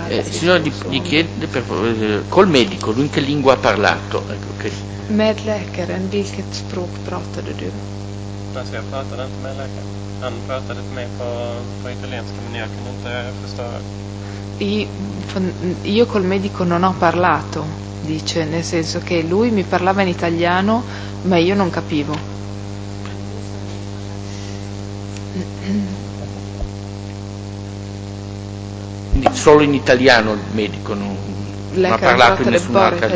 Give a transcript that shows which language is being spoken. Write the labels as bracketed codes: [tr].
[it] Signora, gli chiede col medico lui in che lingua ha parlato. [sv] Med läkaren, vilket språk pratade du? Alltså jag pratade inte med läkaren. Han pratade för mig på italienska, men jag kunde inte förstå. [it] Io col medico non ho parlato, dice, nel senso che lui mi parlava in italiano, ma io non capivo. Solo in italiano il medico non ha parlato in nessun altro